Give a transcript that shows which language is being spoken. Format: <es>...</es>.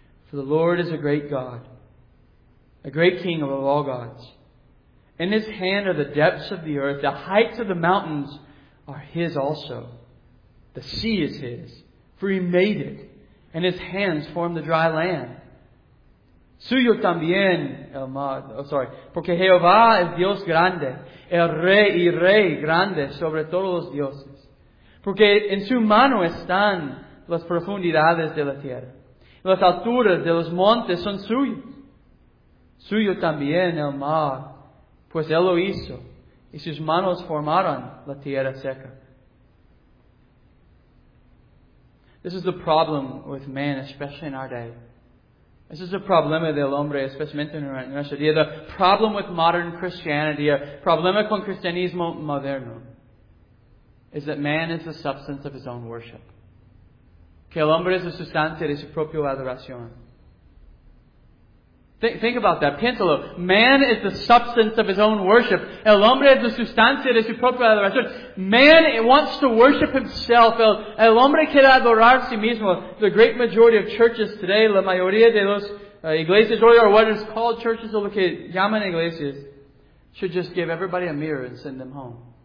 <en>For the Lord is a great God, a great King above all gods. In His hand are the depths of the earth. The heights of the mountains are His also. The sea is His, for He made it, and His hands formed the dry land.</en> <es>Suyo también el mar.</es> <en>Oh, sorry.</en> <es>Porque Jehová es Dios grande, el Rey y Rey grande sobre todos los dioses. Porque en su mano están las profundidades de la tierra. Las alturas de los montes son suyos. Suyo también el mar, pues Él lo hizo, y sus manos formaron la tierra seca.</es> <en>This is the</en> <es>problem with man, especially in our day. This is the problema del hombre, especialmente en nuestro día.</es> <en>The problem with modern Christianity,</en> <es>a problema con cristianismo moderno,</es> <en>is that man is the substance of his own worship.</en> <es>Que el hombre es la sustancia de su propia adoración.</es> <en>Think about that.</en> <es>Piénsalo.</es> <en>Man is the substance of his own worship.</en> <es>El hombre es la sustancia de su propia adoración.</es> <en>Man wants to worship himself.</en> <es>El hombre quiere adorar a sí mismo.</es> <en>The great majority of churches today,</en> <es>la mayoría de los iglesias,</es> <en>or what is called churches,</en> <es>o lo que llaman iglesias,</es> <en>should just give everybody a mirror and send them home.</en>